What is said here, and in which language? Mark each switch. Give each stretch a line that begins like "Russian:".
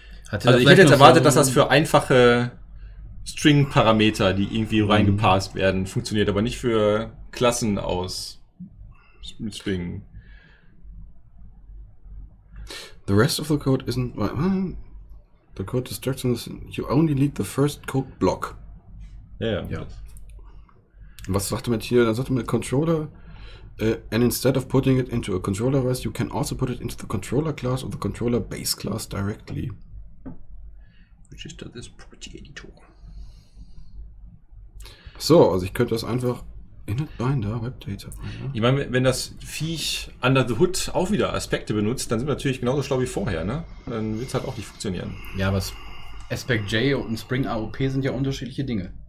German: Hatte also ich hätte jetzt erwartet, so dass das für einfache String-Parameter, die irgendwie reingepasst werden, funktioniert, aber nicht für Klassen aus String.
English: The rest of the code isn't... The code destructions, you only need the first code block.
German: Ja. Was sagt er mit hier? Dann sagt er mit Controller.
English: And instead of putting it into a controller device, you can also put it into the controller class or the controller base class directly. Register this property editor.
German: So, also ich könnte das einfach
English: in a binder, webdata.
German: Ich meine, wenn das Viech
English: under the hood
German: auch wieder Aspekte benutzt, dann sind wir natürlich genauso schlau wie vorher, ne? Dann wird es halt auch nicht funktionieren. Ja, aber Aspect J und Spring AOP sind ja unterschiedliche Dinge.